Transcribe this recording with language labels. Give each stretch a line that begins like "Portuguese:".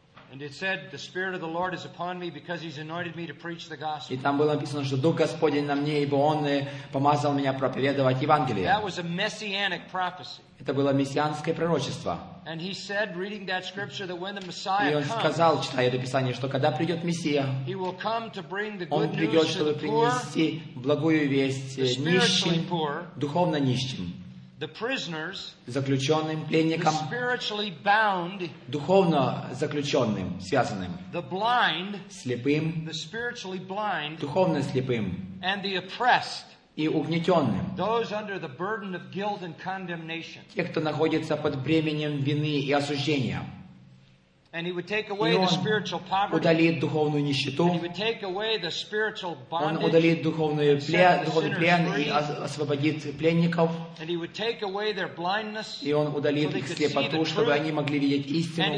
English: And it said, "The Spirit of the Lord is upon me, because He's anointed me to preach the gospel."
Russian: И там было написано, что Дух Господень на мне, ибо Он помазал меня проповедовать Евангелие.
English: That was a messianic prophecy.
Russian: Это было мессианское пророчество.
English: And he said, reading that scripture, that when the Messiah comes,
Russian: и он сказал, читая это писание, что когда придет Мессия,
English: he will come to bring the good news to the poor.
Russian: Он придет, чтобы принести благую весть нищим, духовно нищим.
English: The prisoners,
Russian: заключенным, пленникам,
English: the spiritually bound,
Russian: духовно заключенным, связанным,
English: the blind,
Russian: слепым,
English: the spiritually blind,
Russian: духовно слепым,
English: and the oppressed,
Russian: и угнетенным,
English: those under the burden of guilt and condemnation,
Russian: те, кто находится под бременем вины и осуждения.
English: And he would take away the spiritual poverty.
Russian: Удалит духовную нищету.
English: And he would take away the spiritual bondage.
Russian: Он удалит духовную духовный плен и освободит пленников.
English: And he would take away their blindness.
Russian: И он удалит их слепоту, чтобы они могли видеть истину.